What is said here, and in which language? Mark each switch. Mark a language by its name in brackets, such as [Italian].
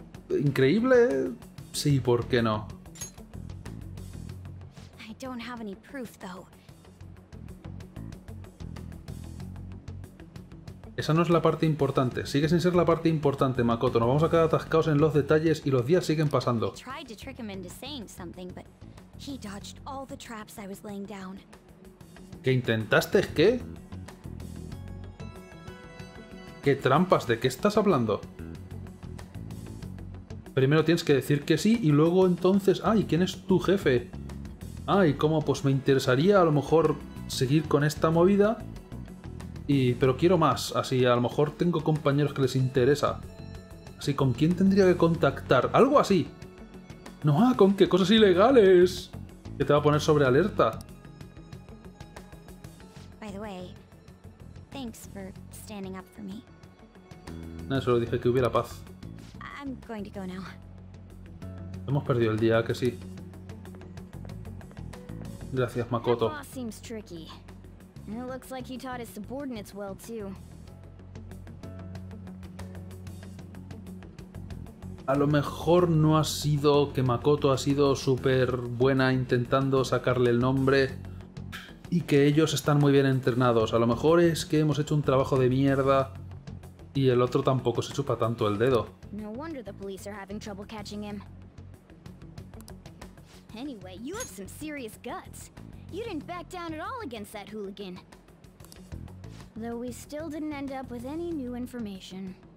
[Spanish] Increíble, sí, ¿por qué no? [English] I don't have any proof, though. [Spanish] Esa no es la parte importante. Sigue sin ser la parte importante, Makoto. Nos vamos a quedar atascados en los detalles y los días siguen pasando. [English] I tried to trick him into saying something, but he dodged all the traps I was laying down. [Spanish] ¿Qué intentaste? ¿Qué? ¿Qué trampas? ¿De qué estás hablando? Primero tienes que decir que sí y luego entonces... ¡Ay! ¿Quién es tu jefe? ¡Ay! ¿Cómo? Pues me interesaría a lo mejor seguir con esta movida. Y... pero quiero más. Así a lo mejor tengo compañeros que les interesa. Así, ¿con quién tendría que contactar? ¡Algo así! ¡No! ¡Ah! ¿Con qué cosas ilegales? Que te va a poner sobre alerta. [English] By the way, thanks for standing up for me. [Spanish] No, solo dije que hubiera paz. [English] I'm going to go now. [Spanish] Hemos perdido el día, que sí. Gracias, Makoto. [English] That boss seems tricky. And it looks like he taught his subordinates well too. [Spanish] A lo mejor no ha sido que Makoto ha sido súper buena intentando sacarle el nombre y que ellos están muy bien entrenados. A lo mejor es que hemos hecho un trabajo de mierda. Y el otro tampoco se chupa tanto el dedo. [English] No wonder the police are having trouble catching him. Anyway, you have some serious guts. You didn't back down at all against that hooligan. Though we still didn't end up with any new information.